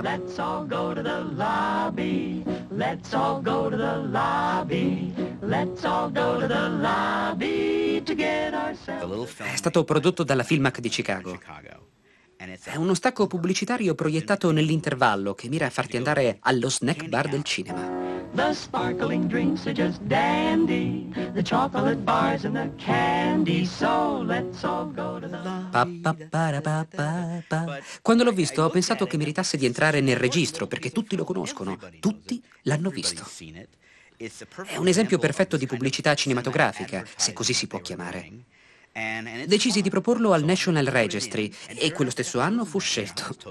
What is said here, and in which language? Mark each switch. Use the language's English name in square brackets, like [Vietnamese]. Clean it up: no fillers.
[English] Let's all go to the lobby, let's all go to the lobby, let's all go to the lobby to get ourselves... [Italian] È stato prodotto dalla Filmac di Chicago. È uno stacco pubblicitario proiettato nell'intervallo che mira a farti andare allo snack bar del cinema. [English] The sparkling drinks are just dandy, the chocolate bars and the candy, so let's all go to the pa-pa-pa-ra-pa-pa-pa. [Italian] Quando l'ho visto ho pensato che meritasse di entrare nel registro perché tutti lo conoscono, tutti l'hanno visto. È un esempio perfetto di pubblicità cinematografica, se così si può chiamare. Decisi di proporlo al National Registry e quello stesso anno fu scelto.